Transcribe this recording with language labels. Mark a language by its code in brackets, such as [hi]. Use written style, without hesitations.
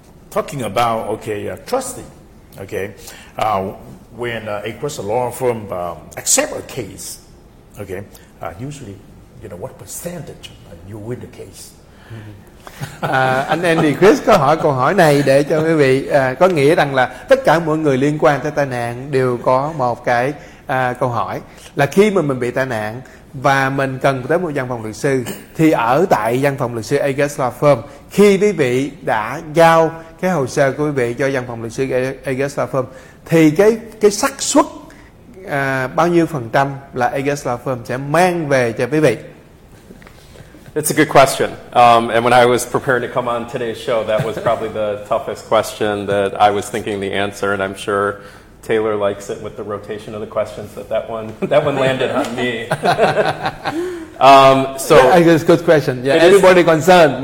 [en] Talking about, okay, trusting, okay? When a law firm accept a case, okay, usually, you know, what percentage you win the case? [vi] Anh Andy Chris có hỏi câu hỏi này để cho quý vị có nghĩa rằng là tất cả mọi người liên quan tới tai nạn đều có một cái câu hỏi là khi mà mình bị tai nạn và mình cần tới một văn phòng luật sư, thì ở tại văn phòng luật sư Agruss Law Firm, khi quý vị đã giao cái hồ sơ của quý vị cho văn phòng luật sư Agruss Law Firm, thì cái xác suất bao nhiêu phần trăm là Agruss Law Firm sẽ mang về cho quý vị? [en] It's a good question. And when I was preparing to come on today's show, that was probably the toughest question that I was thinking the answer, and I'm sure Taylor likes it with the rotation of the questions that one landed on me. I guess good question. Yeah, everybody concerned.